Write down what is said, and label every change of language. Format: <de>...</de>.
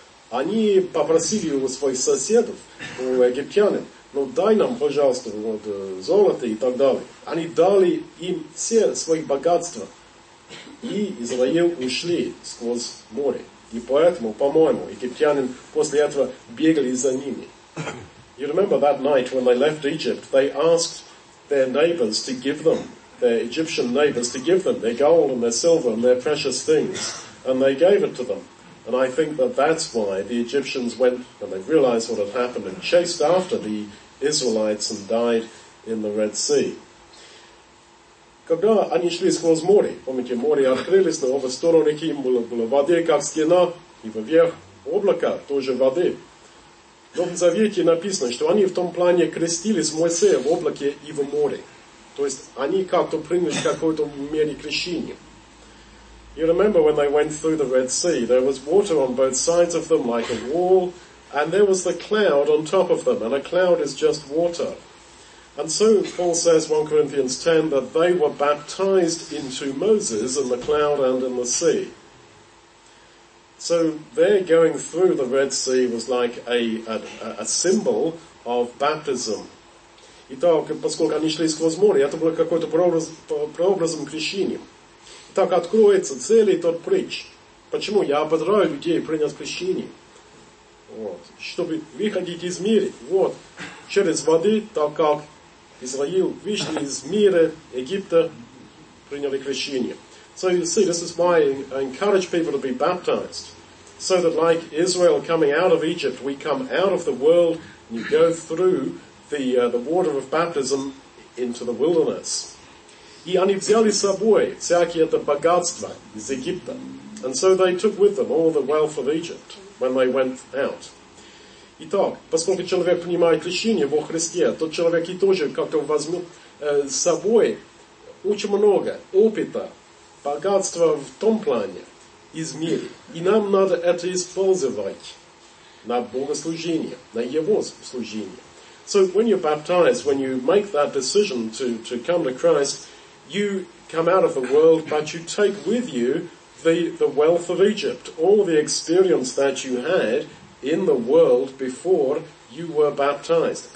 <ru>Они попросили у своих соседов, у египтянин, ну дай нам, пожалуйста, вот золото и так далее. Они дали им все свои богатства, и Израиль ушли сквозь море. И поэтому, по-моему, египтянин после этого бегали за ними.</ru> <en>You remember that night when they left Egypt, they asked their neighbors to give them, their Egyptian neighbors to give them their gold and their silver and their precious things. And they gave it to them. And I think that that's why the Egyptians went and they realized what had happened and chased after the Israelites and died in the Red Sea.</en> <ru>Когда они шли сквозь море, помните, море открылись на обе стороны, и была воды, как стена, и вверх облака, тоже воды. Но в Завете написано, что они в том плане крестились в Моисея, в облаке и в море. То есть они как-то приняли какой-то мере крещение.</ru> <en>You remember when they went through the Red Sea, there was water on both sides of them, like a wall, and there was the cloud on top of them, and a cloud is just water. And so Paul says, 1 Corinthians 10, that they were baptized into Moses in the cloud and in the sea. So their going through the Red Sea was like a symbol of baptism.</en> <ru>Итак, поскольку они шли сквозь море, это было какой-то прообразом крещения. Итак, откроется целый тот притч. Почему я ободраю людей принять крещение? Вот. Чтобы выходить из мира. Вот. Через воды, так как Israel вышли из мира Египта, приняли крещение.</ru> <en>So you see, this is why I encourage people to be baptized. So that like Israel coming out of Egypt, we come out of the world and you go through the water of baptism into the wilderness.</en> <ru>И они взяли с собой всякие это богатства из Египта.</ru> <en>And so they took with them all the wealth of Egypt when they went out.</en> <ru>Итак, поскольку человек принимает крещение во Христе, тот человек и тоже как-то возьмет с собой очень много опыта, богатства в том плане, из мира. И нам надо это использовать на богослужение, на его служение.</ru> <en>So when you're baptized, when you make that decision to come to Christ, you come out of the world, but you take with you the wealth of Egypt, all the experience that you had in the world before you were baptized.</en>